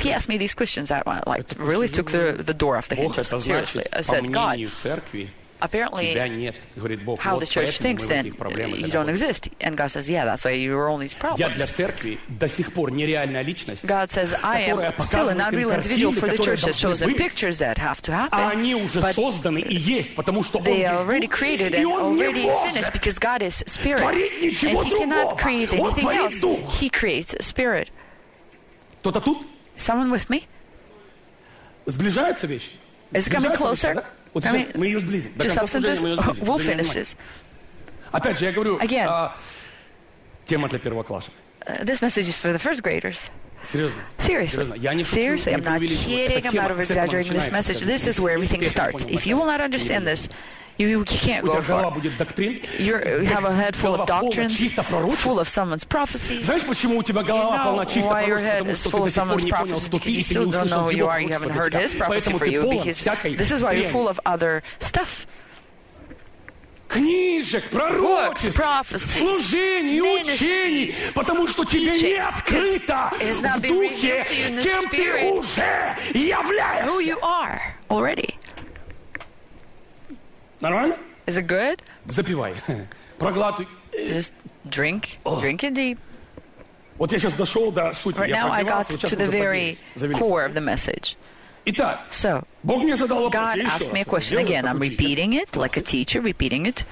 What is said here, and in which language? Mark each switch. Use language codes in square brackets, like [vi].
[en] He asked me these questions that I, like, really took the door off the hinges. [ru] Бог это значит, [en] I said, [ru] по мнению церкви, [en] apparently, [ru] тебя нет. Говорит Бог, [en] how [ru] вот [en] the church thinks then, you don't exist. And God says, yeah, that's why you were all these problems. [ru] Я для церкви до сих пор нереальная личность. [en] God says, I am still an unreal individual for the church that shows the pictures that have to happen. [ru] А они уже созданы и есть, потому что Он есть. [en] They already created and already finished because God is spirit. [ru] Творить ничего другого. [en] And He cannot create anything else. [ru] Дух. [en] He creates spirit. [ru] Кто-то тут? [en] Someone with me? [ru] Сближаются вещи? [en] Is it coming closer? [ru] Вот [en] I mean, [ru] мы ее сблизим. [en] Two substances will finish this. [ru] Опять же, я говорю, [en] again, [ru] тема для первоклашек. [en] This message is for the first graders. [ru] Серьезно? [en] Seriously. [ru] Я не шучу, [en] seriously, [ru] не [en] I'm not kidding, I'm not exaggerating this message. This is where everything starts. If you will not understand this, you can't go far. You have a head full of doctrines, full of someone's prophecies. [ru] Знаешь, почему у тебя голова полна чьих-то пророчеств? [en] Your head is full of someone's prophecies because you still don't know who you are, you haven't heard his prophecy for you. This is why you're full of other stuff. [ru] Книжек, пророчеств, [en] books, prophecies, [ru] служений, учений, потому что тебе не открыто в духе, кем ты уже являешься. [en] Who you are already. [ru] Нормально? [en] Is it good? [ru] Запивай. Проглатывай. [en] Just drink. Oh. Drink it deep. [ru] Вот я сейчас дошел до сути. [en] Right now I got to the very core of the message. [ru] Итак, [en] so, [ru] Бог мне задал вопрос. [en] God asked me a question again. I'm repeating it like a teacher, repeating it